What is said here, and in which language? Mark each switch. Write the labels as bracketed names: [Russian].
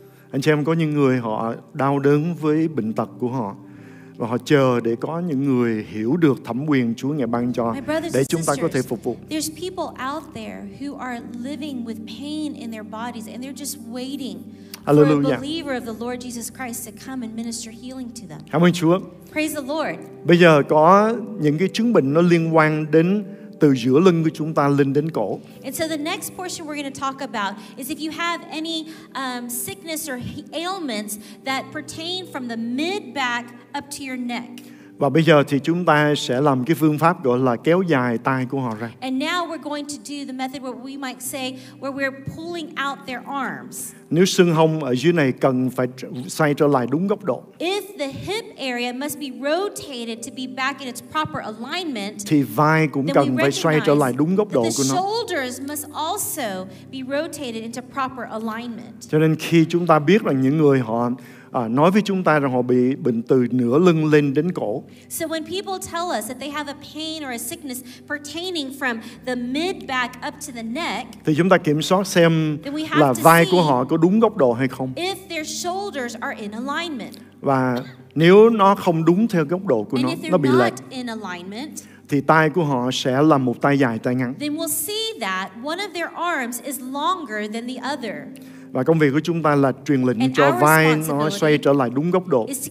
[Vietnamese] Anh chị em có những người họ đau đớn với bệnh tật của họ và họ chờ để có những người hiểu được thẩm quyền Chúa ngài ban cho để chúng ta có thể phục vụ. [English] There's people out there who are living with pain in their bodies and they're just waiting for a believer of the Lord Jesus Christ to come and minister healing to them. [Vietnamese] Cảm ơn Chúa. [English] Praise the Lord. [Vietnamese] Bây giờ có những cái chứng bệnh nó liên quan đến từ giữa lưng của chúng ta lên đến cổ. [English] And so the next portion we're going to talk about is if you have any sickness or ailments that pertain from the mid back up to your neck. [Vietnamese] Và bây giờ thì chúng ta sẽ làm cái phương pháp gọi là kéo dài tay của họ ra. [English] And now we're going to do the method where we might say where we're pulling out their arms. [Vietnamese] Nếu xương hông ở dưới này cần phải xoay trở lại đúng góc độ. [English] If the hip area must be rotated to be back in its proper alignment. [Vietnamese] Thì vai cũng cần phải xoay trở lại đúng góc độ của nó. [English] The shoulders must also be rotated into proper alignment. [Vietnamese] Cho nên khi chúng ta biết là những người họ nói với chúng ta rằng họ bị bệnh từ nửa lưng lên đến cổ. [English] So when people tell us that they have a pain or a sickness pertaining from the mid back up to the neck, [Vietnamese] thì chúng ta kiểm soát xem là vai của họ có đúng góc độ hay không. [English] If their shoulders are in alignment. [Vietnamese] Và nếu nó không đúng theo góc độ của nó bị lệch. [English] In alignment, [Vietnamese] thì tay của họ sẽ là một tay dài tay ngắn. [English] Then we'll see that one of their arms is longer than the other. [Vietnamese] Và công việc của chúng ta là truyền lệnh cho vai nó xoay trở lại đúng góc độ.